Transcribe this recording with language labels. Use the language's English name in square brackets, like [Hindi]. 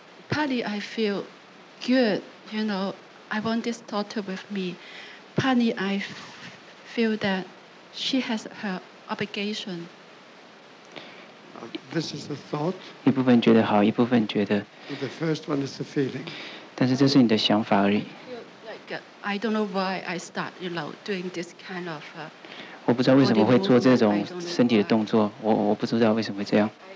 [English] Partly I feel good, you know, I want this daughter with me. Partly I feel that she has her obligation. This is a thought. [Chinese] 一部分觉得好，一部分觉得。 [English] The first one is the feeling. [Chinese] 但是这是你的想法而已。 [English] I don't know why I start, you know, doing this kind of. [Chinese] 我不知道为什么会做这种身体的动作，我不知道为什么会这样。